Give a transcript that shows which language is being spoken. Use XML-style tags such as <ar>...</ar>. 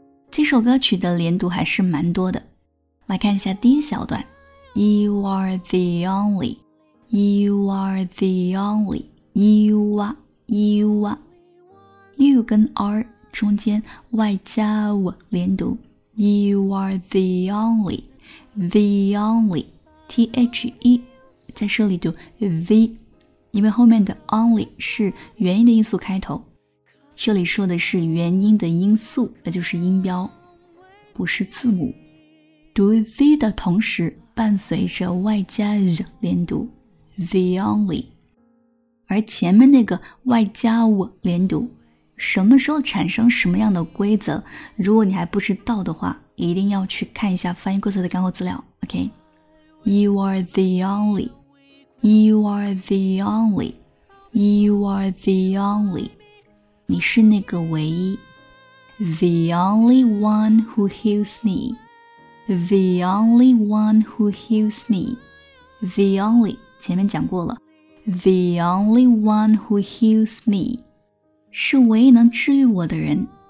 <zh>这首歌曲的连读还是蛮多的，来看一下第一小段。</zh> <en>You are the only You are the only You are You are You</en> <zh>跟 R 中间外加 W 连读。</zh> <en>You are the only The only T-H-E</en> <zh>在这里读 V， 因为后面的 only 是元音的音素开头，这里说的是元音的音素，那就是音标，不是字母。读 V 的同时伴随着外加 Z 连读</zh> <en>The only，</en> <zh>而前面那个外加 W 连读什么时候产生什么样的规则，如果你还不知道的话，一定要去看一下发音规则的干货资料。</zh> <en>OK， You are the only You are the only You are the only</en> <zh>你是那个唯一。</zh> <en>The only one who heals me The only one who heals me The only</en> <zh>前面讲过了</zh> <en>The only one who heals me</en> <zh>是唯一能治愈我的人。</zh>